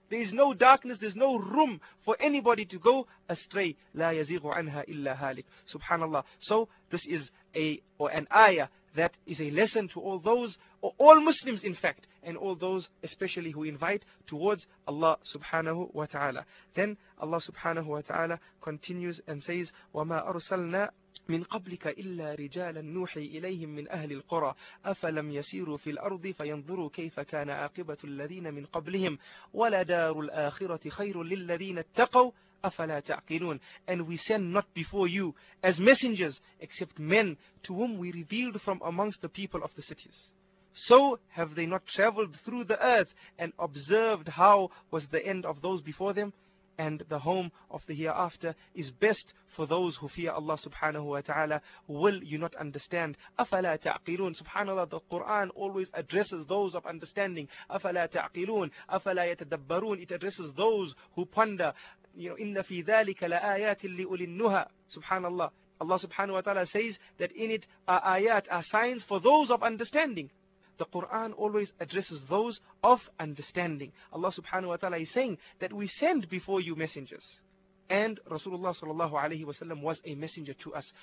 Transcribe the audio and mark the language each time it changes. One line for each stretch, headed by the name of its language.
English: There is no darkness, there's no room for anybody to go astray.
Arabic: لَا يَزِغُ عَنْهَا إِلَّا هَالِكَ. Subhanallah.
English: So this is an ayah that is a lesson to all those, or all Muslims in fact, and all those especially who invite towards Allah subhanahu wa ta'ala. Then Allah subhanahu wa ta'ala continues and says,
Arabic: وَمَا أَرْسَلْنَا مِنْ قَبْلِكَ إِلَّا رِجَالًا نُوحِي إِلَيْهِمْ مِنْ أَهْلِ الْقُرَىٰ أَفَلَمْ يَسِيرُوا فِي الْأَرْضِ فَيَنْظُرُوا كَيْفَ كَانَ عَاقِبَةُ الَّذِينَ مِنْ قَبْلِهِمْ وَلَدَارُ الْآخِرَةِ خَيْرٌ لِلَّذِينَ اتَّقَوْا أَفَلَا تَعْقِلُونَ.
English: And we send not before you as messengers except men to whom we revealed from amongst the people of the cities. So have they not traveled through the earth and observed how was the end of those before them? And the home of the hereafter is best for those who fear Allah subhanahu wa ta'ala. Will you not understand?
Arabic: أَفَلَا تَعْقِلُونَ
English: SubhanAllah, the Qur'an always addresses those of understanding.
Arabic: أَفَلَا تَعْقِلُونَ أَفَلَا يَتَدَبَّرُونَ
English: It addresses those who ponder. You know,
Arabic: إِنَّ فِي ذَلِكَ لَآيَاتٍ لِأُولِي النُّهَى SubhanAllah.
English: Allah subhanahu wa ta'ala says that in it are ayat, are signs for those of understanding. The Qur'an always addresses those of understanding. Allah subhanahu wa ta'ala is saying that we send before you messengers. And Rasulullah sallallahu alayhi wa sallam was a messenger to us.